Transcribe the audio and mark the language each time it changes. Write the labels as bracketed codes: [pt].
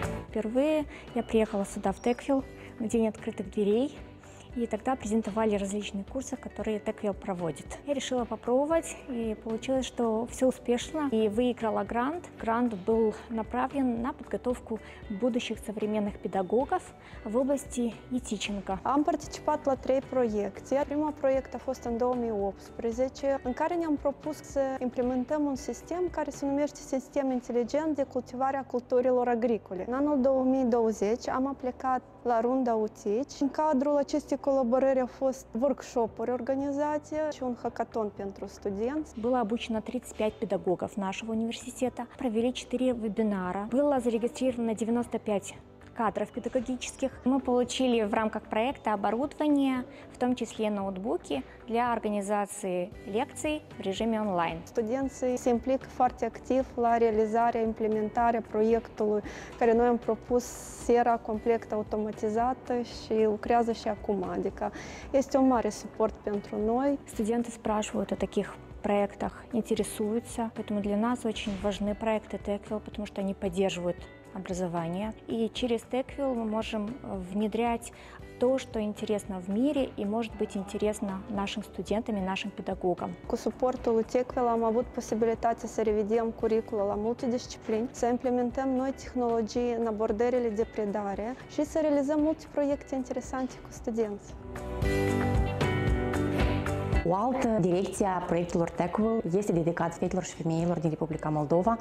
[ru] Впервые я приехала сюда, в Текфил, на день открытых дверей, И тогда презентовали различные курсы, которые Теквил проводит. Я решила попробовать, и получилось, что все успешно, и выиграла грант. Грант был направлен на подготовку будущих современных педагогов в области e-teaching. [ro] Am participat la trei proiecte. Primul proiect a fost în 2018, în care ne-am propus să implementăm un sistem care se numește sistem inteligent de cultivare a culturilor agricole. În anul 2020 am aplicat la runda UTICI. În cadrul acestei colaborări au fost workshop-uri organizate și un hackathon pentru studenți. [ru] Было обучено 35 педагогов нашего университета, провели 4 вебинара. Было зарегистрировано 95 кадров педагогических. Мы получили в рамках проекта оборудование, в том числе ноутбуки, для организации лекций в режиме онлайн. Студенты [ro] se implică foarte activ la realizarea, implementarea proiectului care noi am propus seara complet automatizată și lucrează și acum, adică este un mare suport pentru noi. [ru] Студенты спрашивают о таких проектах, интересуются, поэтому для нас очень важны проекты Techville, потому что они поддерживают образование. И через Techville мы можем внедрять то, что интересно в мире и может быть интересно нашим студентам и нашим педагогам. [ro] Cu suportul Techville am avut posibilitatea să revidem curricula la multe disciplini, să implementăm noi tehnologii în abordările de predare și să realizăm multe proiecte interesante cu studenți. O altă direcție a proiectelor Techville este dedicat fetelor și femeilor din Republica Moldova.